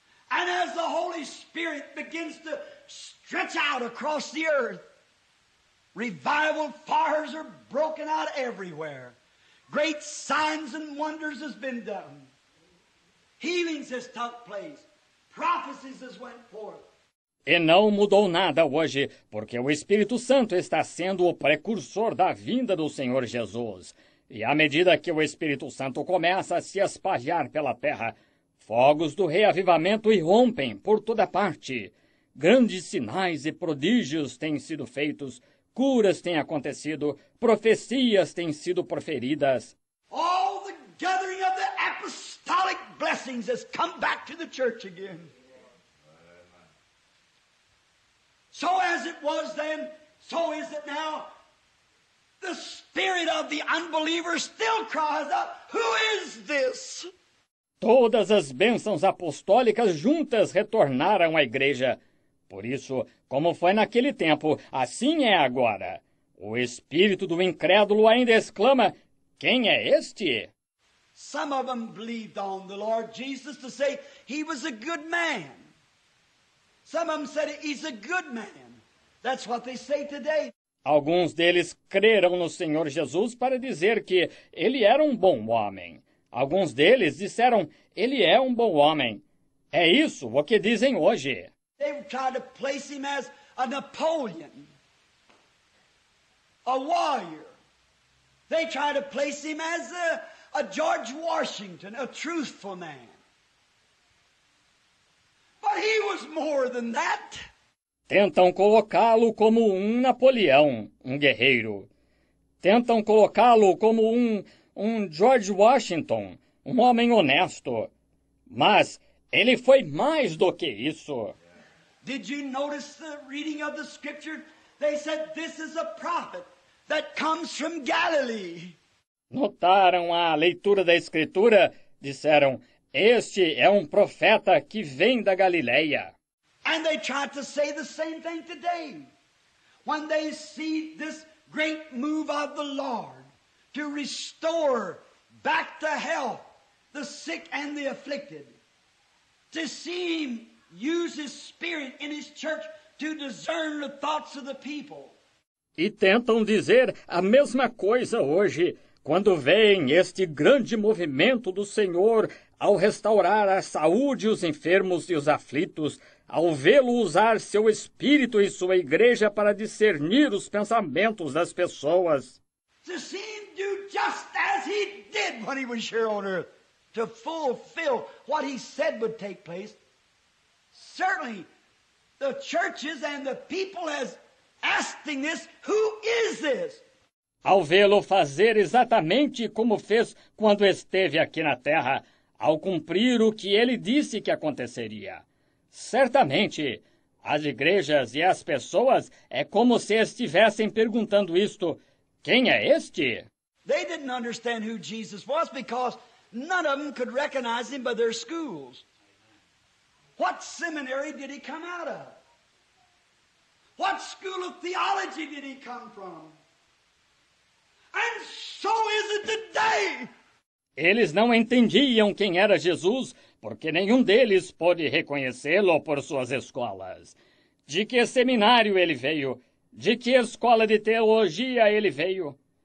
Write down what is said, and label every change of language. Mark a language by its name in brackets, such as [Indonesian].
[English] And as the Holy Spirit begins to stretch out across the earth, revival fires are broken out everywhere. Great signs and wonders has been done. Healings has took place. Prophecies has went forth. [Portuguese] E não mudou nada hoje, porque o Espírito Santo está sendo o precursor da vinda do Senhor Jesus. E à medida que o Espírito Santo começa a se espalhar pela terra, fogos do reavivamento irrompem por toda parte. Grandes sinais e prodígios têm sido feitos, curas têm acontecido, profecias têm sido proferidas. [English] All the gathering of the apostolic blessings has come back to the church again. So as it was then, so is it now. The spirit of the unbeliever still cries out, "Who is this?" [Portuguese] Todas as bênçãos apostólicas juntas retornaram à igreja. Por isso, como foi naquele tempo, assim é agora. O espírito do incrédulo ainda exclama, "Quem é este?" [English] Some of them believed on the Lord Jesus to say he was a good man. Some of them said he's a good man. That's what they say today. [Portuguese] Alguns deles creram no Senhor Jesus para dizer que ele era um bom homem. Alguns deles disseram, ele é um bom homem. É isso o que dizem hoje. [English] They tried to place him as a Napoleon, a warrior. They tried to place him as a George Washington, a truthful man. But he was more than that. [Portuguese] Tentam colocá-lo como um Napoleão, um guerreiro. Tentam colocá-lo como um George Washington, um homem honesto. Mas ele foi mais do que isso. [English] Did you notice the reading of the scripture? They said this is a prophet that comes from Galilee. [Portuguese] Notaram a leitura da escritura? Disseram, este é um profeta que vem da Galileia. [English] And they try to say the same thing today. When they see this great move of the Lord to restore back to health the sick and the afflicted. To see him use his spirit in his church to discern the thoughts of the people. [Portuguese] E tentam dizer a mesma coisa hoje, quando vem este grande movimento do Senhor ao restaurar a saúde os enfermos e os aflitos, ao vê-lo usar seu espírito e sua igreja para discernir os pensamentos das pessoas. [English] To see him do just as he did when he was here on earth, to fulfill what he said would take place. Certainly, the churches and the people has asking this, who is this? [Portuguese] Ao vê-lo fazer exatamente como fez quando esteve aqui na terra, ao cumprir o que ele disse que aconteceria. Certamente, as igrejas e as pessoas é como se estivessem perguntando isto, quem é este? [English] They didn't understand who Jesus was because none of them could recognize him by their schools. What seminary did he come out of? What school of theology did he come from? And so is it today! [Portuguese] Eles não entendiam quem era Jesus, porque nenhum deles pôde reconhecê-lo por suas escolas. De que seminário ele veio? De que escola de teologia ele veio?